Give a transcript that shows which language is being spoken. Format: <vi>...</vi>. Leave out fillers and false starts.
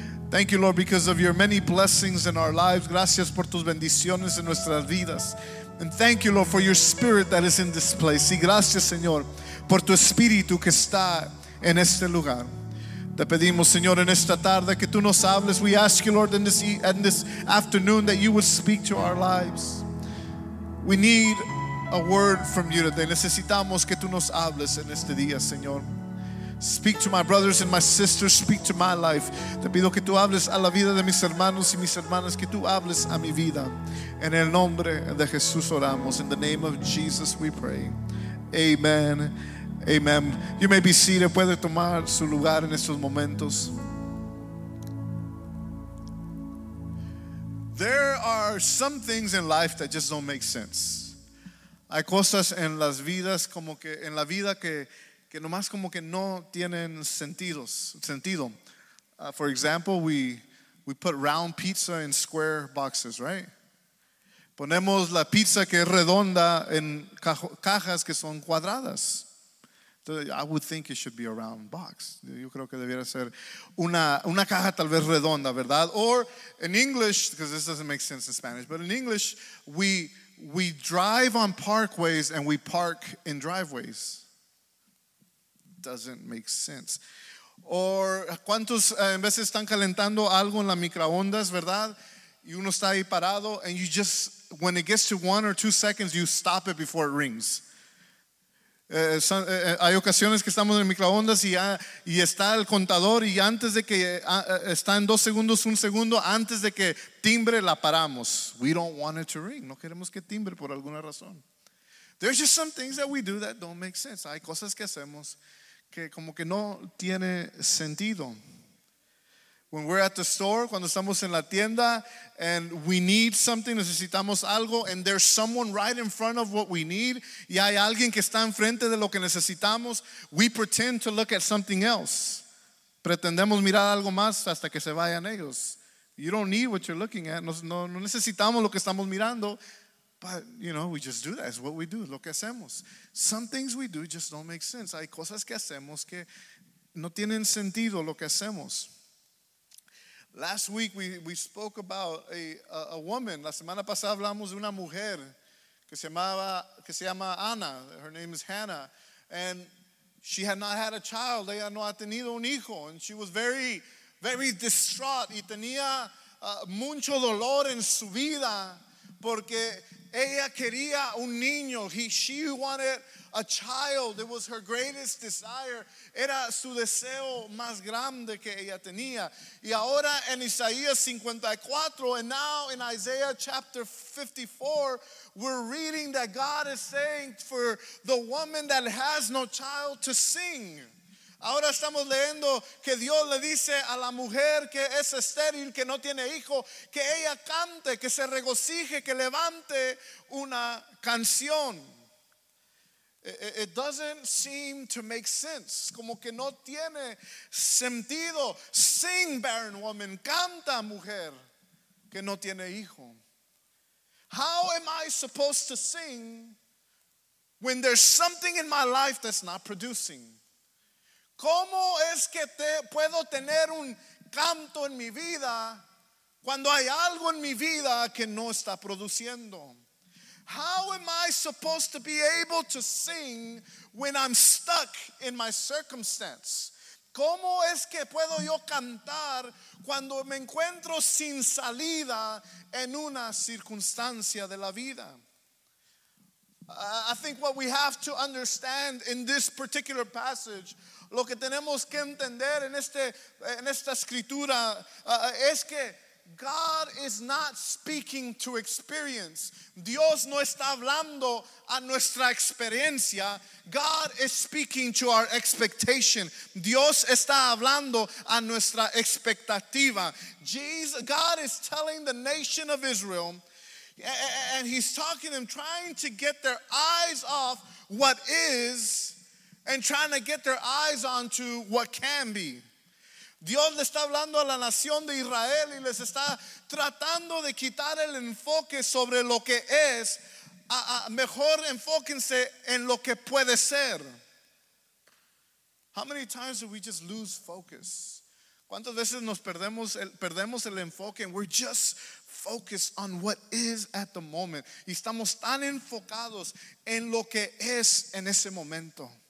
<en>Thank you, Lord, because of your many blessings in our lives.</en> <es>Gracias por tus bendiciones en nuestras vidas.</es> <en>And thank you, Lord, for your spirit that is in this place.</en> <es>Y gracias, Señor, por tu espíritu que está en este lugar. Te pedimos, Señor, en esta tarde que tú nos hables.</es> <en>We ask you, Lord, in this afternoon that you would speak to our lives. We need a word from you today.</en> <es>Necesitamos que tú nos hables en este día, Señor.</es> <en>Speak to my brothers and my sisters. Speak to my life.</en> <es>Te pido que tú hables a la vida de mis hermanos y mis hermanas. Que tú hables a mi vida. En el nombre de Jesús oramos.</es> <en>In the name of Jesus we pray. Amen. Amen. You may be seated.</en> <es>Puede tomar su lugar en estos momentos.</es> <en>There are some things in life that just don't make sense.</en> <es>Hay cosas en las vidas como que en la vida que nomás como que no tienen sentido.</es> <en>For example, we put round pizza in square boxes, right?</en> <es>Ponemos la pizza que es redonda en cajas que son cuadradas.</es> <en>I would think it should be a round box.</en> <es>Yo creo que debiera ser una caja tal vez redonda, ¿verdad?</es> <en>Or in English, because this doesn't make sense in Spanish, but in English, we we drive on parkways and we park in driveways. Doesn't make sense.</en> <es>Or ¿cuántos en veces están calentando algo en la microondas, verdad? Y uno está ahí parado</es> <en>and you just, when it gets to 1 or 2 seconds, you stop it before it rings.</en> <es>Hay ocasiones que estamos en microondas y, y está el contador y antes de que está en 2 segundos, 1 segundo, antes de que timbre la paramos.</es> <en>We don't want it to ring.</en> <es>No queremos que timbre por alguna razón.</es> <en>There's just some things that we do that don't make sense.</en> <es>Hay cosas que hacemos que como que no tiene sentido.</es> <en>When we're at the store,</en> <es>cuando estamos en la tienda,</es> <en>and we need something,</en> <es>necesitamos algo,</es> <en>and there's someone right in front of what we need,</en> <es>y hay alguien que está enfrente de lo que necesitamos,</es> <en>we pretend to look at something else.</en> <es>Pretendemos mirar algo más hasta que se vayan ellos.</es> <en>You don't need what you're looking at.</en> <es>No necesitamos lo que estamos mirando,</es> <en>but, you know, we just do that. It's what we do,</en> <es>lo que hacemos.</es> <en>Some things we do just don't make sense.</en> <es>Hay cosas que hacemos que no tienen sentido lo que hacemos.</es> <en>Last week we spoke about a woman.</en> <es>La semana pasada hablamos de una mujer que se llama Ana.</es> <en>Her name is Hannah, and she had not had a child.</en> <es>Ella no ha tenido un hijo,</es> <en>and she was very, very distraught.</en> <es>Y tenía mucho dolor en su vida porque ella quería un niño.</es> <en>She wanted a child. It was her greatest desire.</en> <es>Era su deseo más grande que ella tenía. Y ahora en Isaías 54,</es> <en>and now in Isaiah chapter 54, we're reading that God is saying for the woman that has no child to sing.</en> <es>Ahora estamos leyendo que Dios le dice a la mujer que es estéril, que no tiene hijo, que ella cante, que se regocije, que levante una canción.</es> <en>It doesn't seem to make sense.</en> <es>Como que no tiene sentido.</es> <en>Sing, barren woman.</en> <es>Canta, mujer que no tiene hijo.</es> <en>How am I supposed to sing when there's something in my life that's not producing?</en> <es>¿Cómo es que puedo tener un canto en mi vida cuando hay algo en mi vida que no está produciendo?</es> <en>How am I supposed to be able to sing when I'm stuck in my circumstance?</en> <es>¿Cómo es que puedo yo cantar cuando me encuentro sin salida en una circunstancia de la vida?</es> <en>I think what we have to understand in this particular passage,</en> <es>lo que tenemos que entender en esta escritura, es que</es> <en>God is not speaking to experience.</en> <es>Dios no está hablando a nuestra experiencia.</es> <en>God is speaking to our expectation.</en> <es>Dios está hablando a nuestra expectativa.</es> <en>God is telling the nation of Israel, and he's talking to them, trying to get their eyes off what is and trying to get their eyes onto what can be.</en> <es>Dios le está hablando a la nación de Israel y les está tratando de quitar el enfoque sobre lo que es. Mejor enfóquense en lo que puede ser.</es> <en>How many times do we just lose focus?</en> <es>¿Cuántas veces nos perdemos el enfoque?</es> <en>And we're just focused on what is at the moment.</en> <es>Y estamos tan enfocados en lo que es en ese momento.</es>